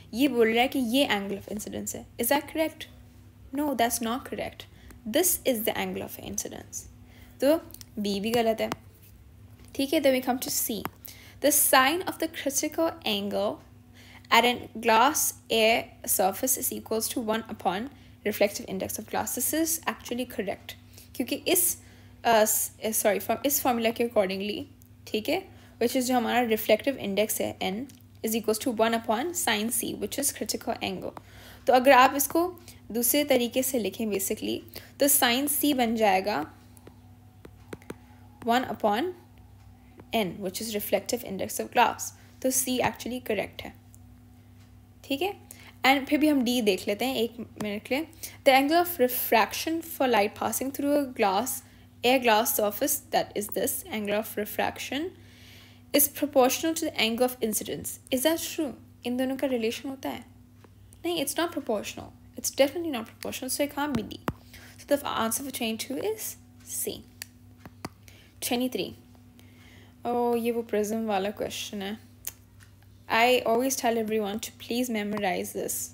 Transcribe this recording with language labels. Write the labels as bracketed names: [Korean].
[Hindi] ये बोल रहा है कि ये angle of incidence है. [English] Is that correct? No, that's not correct. This is the angle of incidence. [Hindi] तो B भी गलत है. ठीक है. [English] Then we come to C. The sine of the critical angle at a glass air surface is equals to 1 upon reflective index of glass. This is actually correct. [Hindi] क्योंकि इस formula के accordingly, [English] ठीक है, which is जो हमारा reflective index है, n, is equals to 1 upon sine c, which is critical angle. [Hindi] तो अगर आप इसको दूसरे तरीके से लिखें basically, तो sine c बन जाएगा 1 upon n, which is reflective index of glass. तो c actually correct है. ठीक है. एंड फिर भी हम डी देख लेते हैं एक मिनट के लिए. [English] The angle of refraction for light passing through a glass air glass surface that is this angle of refraction is proportional to the angle of incidence. Is that true? [Hindi] इन दोनों का relation होता है? [English] नहीं, it's not proportional. It's definitely not proportional. So कहाँ B D. So the answer for 22 is C. 23. [Hindi] ये वो prism वाला question है. [English] I always tell everyone to please memorize this.